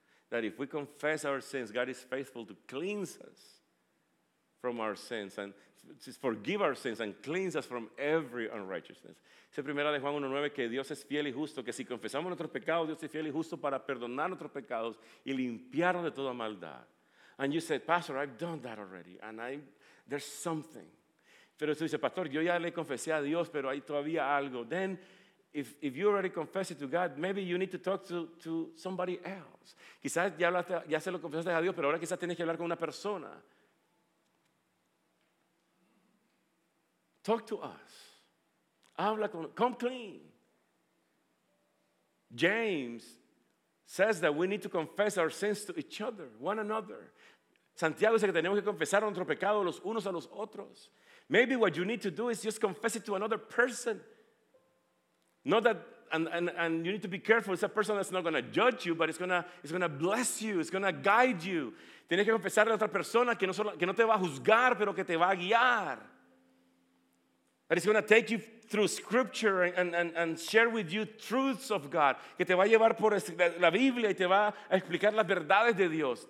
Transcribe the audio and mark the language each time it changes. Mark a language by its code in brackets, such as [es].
[en] That if we confess our sins, God is faithful to cleanse us from our sins and forgive our sins and cleanse us from every unrighteousness. [es] Dice primera de Juan 1:9 que Dios es fiel y justo, que si confesamos nuestros pecados, Dios es fiel y justo para perdonar nuestros pecados y limpiarnos de toda maldad. [en] And you said, Pastor, I've done that already, and there's something. [es] Pero tú dices, Pastor, yo ya le confesé a Dios, pero hay todavía algo. [en] Then, if you already confessed it to God, maybe you need to talk to somebody else. [es] Quizás ya hablaste, ya se lo confesaste a Dios, pero ahora quizás tienes que hablar con una persona. [en] Talk to us. [es] Habla con, [en] come clean. James says that we need to confess our sins to each other, one another. [es] Santiago dice que tenemos que confesar nuestro pecado los unos a los otros. [en] Maybe what you need to do is just confess it to another person. Not that, and you need to be careful. It's a person that's not going to judge you, but it's going to bless you. It's going to guide you. [es] Tienes que confesarle a otra persona que no te va a juzgar, pero que te va a guiar. [en] That is going to take you through scripture and share with you truths of God. [es] Que te va a llevar por la Biblia y te va a explicar las verdades de Dios.